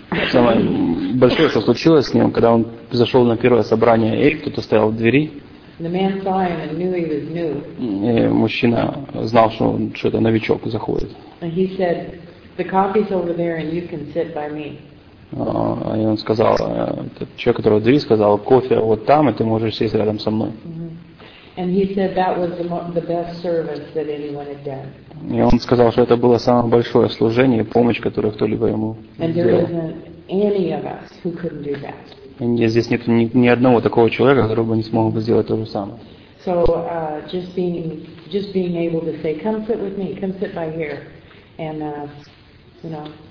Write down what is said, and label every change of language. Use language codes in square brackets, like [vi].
[ru] Самое большое, что случилось с ним, когда он зашел на первое собрание, и кто-то стоял в двери. [en] The man saw him and knew he was new. [ru] И мужчина знал, что это новичок заходит. [en] And he said, "The coffee's over there and you can sit by me." [ru] И он сказал, этот человек, который в двери, сказал, кофе вот там, и ты можешь сесть рядом со мной. [en] And he said that was the best service that anyone had done. [ru] И он сказал, что это было самое большое служение и помощь, которую кто-либо ему сделал. [en] And there isn't any of us who couldn't do that. [ru] Здесь нет ни одного такого человека, который бы не смог бы сделать то же самое. [en] So just being able to say, come sit with me, come sit by here, and you know.